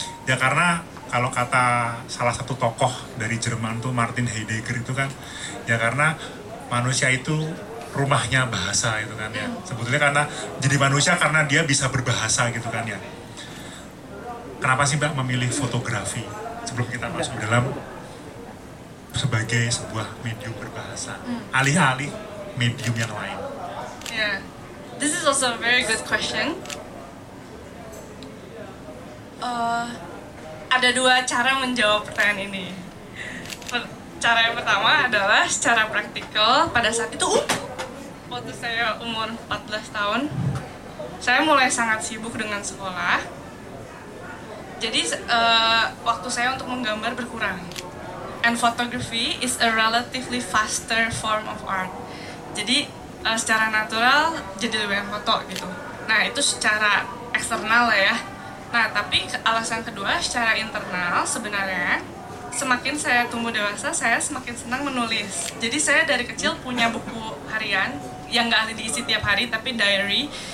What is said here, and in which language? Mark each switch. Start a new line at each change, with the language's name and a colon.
Indonesian: Ya karena kalau kata salah satu tokoh dari Jerman tuh Martin Heidegger itu kan, ya karena manusia itu rumahnya bahasa itu kan ya. Sebetulnya karena jadi manusia karena dia bisa berbahasa gitu kan ya. Kenapa sih Mbak memilih fotografi sebelum kita masuk dalam sebagai sebuah medium berbahasa, alih-alih medium yang lain?
English: Yeah, this is also a very good question.
Indonesian: Ada dua cara menjawab pertanyaan ini. Cara yang pertama adalah secara praktikal. Pada saat itu, waktu saya umur 14 tahun, saya mulai sangat sibuk dengan sekolah. Jadi waktu saya untuk menggambar berkurang.
English: And photography is a relatively faster form of art.
Indonesian: Jadi secara natural jadi lebih banyak foto gitu. Nah, itu secara eksternal lah ya. Nah, tapi alasan kedua secara internal, sebenarnya semakin saya tumbuh dewasa, saya semakin senang menulis. Jadi saya dari kecil punya buku harian yang nggak diisi tiap hari, tapi diary.